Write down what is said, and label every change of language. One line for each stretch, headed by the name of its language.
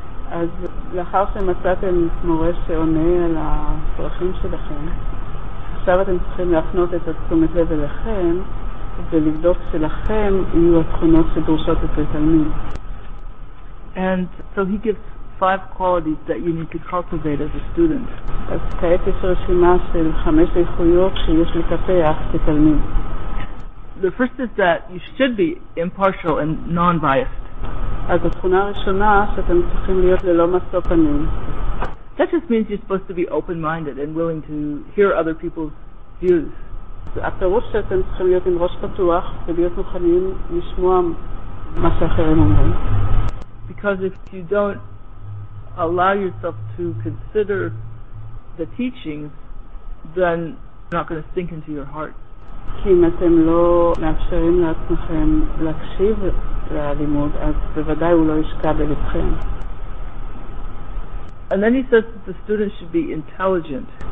Hebrew: אז לאחר שמצאתם מורה שעונה על הצרכים שלכם, עכשיו אתם צריכים להפנות את התשומת לב אליכם ולבדוק שלכם יהיו התכונות שדורשות את התלמיד.
English: And so he gives 5 qualities that you need to cultivate as a student.
Hebrew: אז כעת יש רשימה של 5 איכויות שיש לטפח כתלמיד.
English: The first is that you should be impartial and non-biased.
Hebrew: אז התכונה הראשונה שאתם צריכים להיות ללא משוא פנים.
English: That just means you're supposed to be open-minded and willing to hear other people's views.
Hebrew: הפירוש שאתם צריכים להיות עם ראש פתוח ולהיות מוכנים לשמוע מה שאחרים אומרים.
English: Because if you don't allow yourself to consider the teachings, then you're not going to sink into your heart.
Hebrew: כי אם אתם לא מאפשרים לעצמכם להקשיב ללימוד, אז בוודאי הוא לא ישקע בלבכם.
English: And then he says that the student should be intelligent.